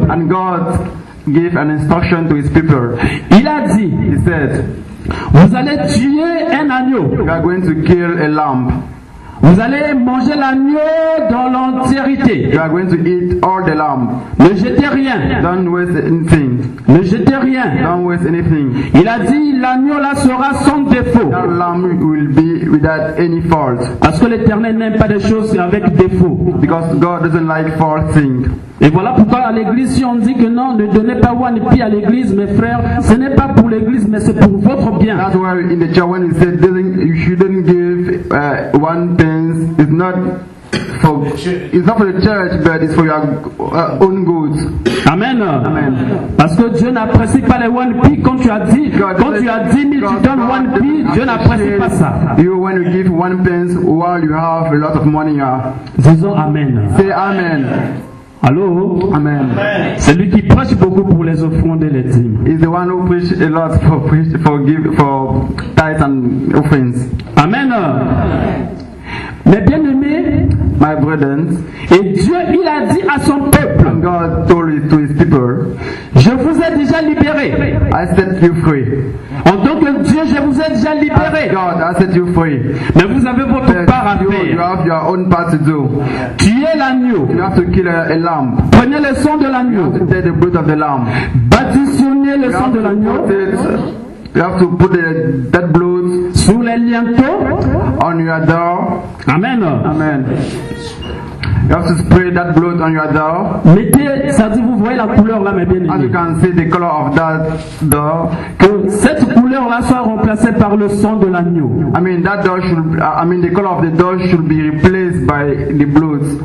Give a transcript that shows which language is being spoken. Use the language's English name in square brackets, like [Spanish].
[English] And God gave an instruction to his people. [French] Il a dit. [English] He said, [French] vous allez tuer un agneau. [English] You are going to kill a lamb. [French] Vous allez manger l'agneau dans l'entièreté. [English] You are going to eat all the lamb. [French] Ne jetez rien. [English] Don't waste anything. [French] Ne jetez rien. [English] Don't waste anything. [French] Il a dit l'agneau là sera sans défaut. [English] That lamb will be without any fault. [French] Parce que l'Éternel n'aime pas des choses avec défaut. [English] Because God doesn't like false things. [French] Et voilà pourquoi à l'église, si on dit que non, ne donnez pas one pie à l'église, mes frères, ce n'est pas pour l'église, mais c'est pour votre bien. [English] That's why in the church when he said you shouldn't give one pence, it's not for the church, but it's for your own good. Amen. Amen. [French] Parce que Dieu n'apprécie pas les one pie quand tu as dit, quand tu as 10 000, tu donnes one pie, Dieu n'apprécie pas ça. [English] You when you give one pence while you have a lot of money, [French] Disons amen. [English] Say amen. Allô. Amen. [French] C'est lui qui prêche beaucoup pour les offrandes et les dîmes. [English] He's the one who preaches a lot for tithes and offerings. [French] Amen. Mes bien-aimés, [English] my brethren, [French] et Dieu, il a dit à son peuple, [English] and God told it to his people, [French] je vous ai déjà libéré. [English] I set you free. [French] En tant que Dieu, je vous ai déjà libéré. [English] God, I set you free. [French] Mais vous avez votre [English] yes, [French] part à faire. [English] You have your own part to do. [French] Tuez l'agneau. [English] You have to kill a lamb. [French] Prenez le sang de l'agneau. [English] You have to take the blood of the lamb. [French] Baptisez le sang de l'agneau. [English] You have to put the dead blood [French] sous les linteaux [English] on your door. Amen. Amen. You have to spray that blood on your door. [French] Mettez, ça dit vous voyez la couleur là, mes bien-aimés. [English] As you can see the color of that door. [French] Que cette couleur là soit remplacée par le sang de l'agneau. [English] I mean that door should. I mean the color of the door should be replaced by the blood.